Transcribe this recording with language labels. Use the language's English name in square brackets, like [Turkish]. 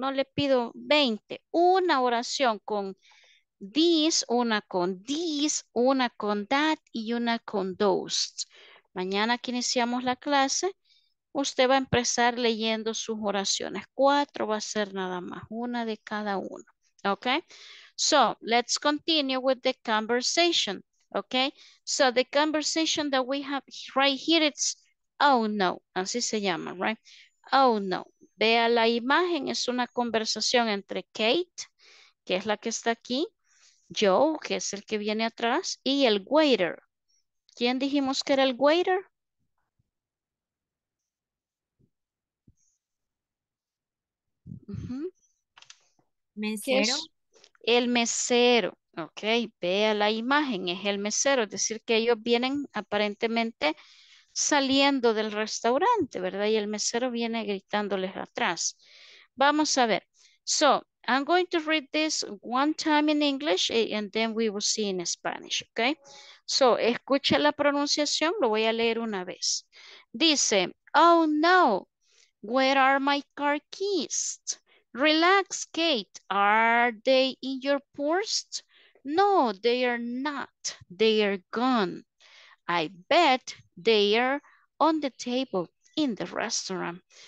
[Spanish] No le pido 20. Una oración con this, una con this, una con that y una con those. Mañana que iniciamos la clase, usted va a empezar leyendo sus oraciones. Cuatro va a ser nada más, una de cada uno. [English] Ok. So, let's continue with the conversation. Ok. So, the conversation that we have right here, it's oh no. [Spanish] Así se llama, [English] right? [Spanish] Oh no. Vea la imagen, es una conversación entre Kate, que es la que está aquí, Joe, que es el que viene atrás, y el waiter. ¿Quién dijimos que era el waiter? Mesero. El mesero, ok, vea la imagen, es el mesero, es decir, que ellos vienen aparentemente saliendo del restaurante, ¿verdad? Y el mesero viene gritándoles atrás. Vamos a ver. [English] So, I'm going to read this one time in English and then we will see in Spanish, ¿ok? [Spanish] So, escucha la pronunciación, lo voy a leer una vez. Dice, [English] oh no, where are my car keys? Relax, Kate. Are they in your purse? No, they are not. They are gone. I bet they are on the table in the restaurant.